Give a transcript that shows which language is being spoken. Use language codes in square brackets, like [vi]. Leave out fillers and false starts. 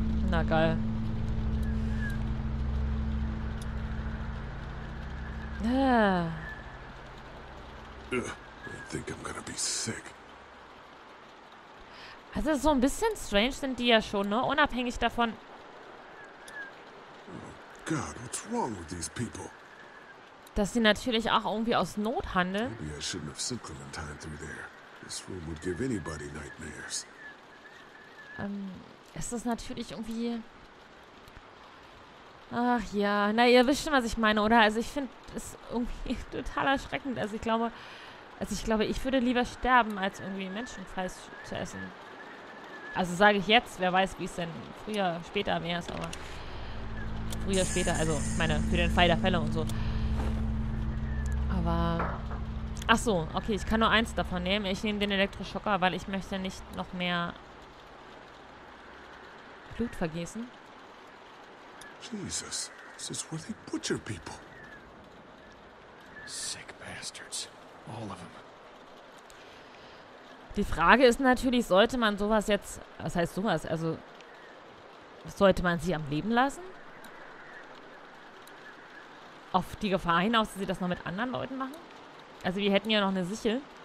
[de] Na geil. [en] I think I'm gonna be sick. [de] Also so ein bisschen strange sind die ja schon, ne? Unabhängig davon. [en] Oh God, what's wrong with these people? [de] Dass sie natürlich auch irgendwie aus Not handeln. [en] Maybe I shouldn't have sent Clementine through there. This room would give anybody nightmares. [de] Es ist natürlich irgendwie. Ach ja, na ihr wisst schon, was ich meine, oder? Also ich finde es irgendwie total erschreckend. Also ich glaube, ich würde lieber sterben, als irgendwie Menschenfleisch zu essen. Also sage ich jetzt, wer weiß, wie es denn früher, später wäre es, aber früher, später, also ich meine, für den Fall der Fälle und so. Aber, ach so, okay, ich kann nur eins davon nehmen. Ich nehme den Elektroschocker, weil ich möchte nicht noch mehr Blut vergießen. [en] Jesus, this is where they butcher people. Sick bastards, all of them. [de] Die Frage ist natürlich, sollte man sowas jetzt... Was heißt sowas? Also, sollte man sie am Leben lassen? Auf die Gefahr hinaus, dass sie das noch mit anderen Leuten machen? Also, wir hätten ja noch eine Sichel.